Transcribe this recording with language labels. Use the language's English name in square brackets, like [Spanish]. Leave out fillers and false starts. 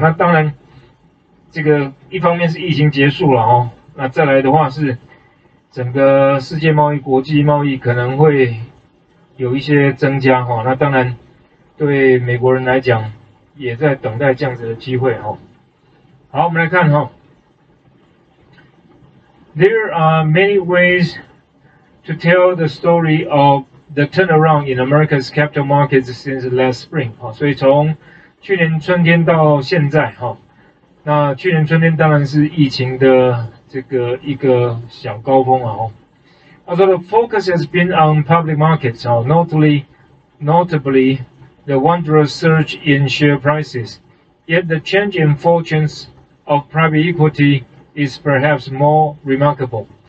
[Chinese] 那当然，这个一方面是疫情结束了哦，那再来的话是整个世界贸易、国际贸易可能会有一些增加哦，那当然对美国人来讲，也在等待这样子的机会哈。好，我们来看哈。 [English] There are many ways to tell the story of the turnaround in America's capital markets since last spring。 [Chinese] 所以从去年春天到现在哈，那去年春天当然是疫情的这个一个小高峰啊。他说， [English] the focus has been on public markets, notably。 The wondrous surge in share prices, yet the change in fortunes of private equity is perhaps more remarkable.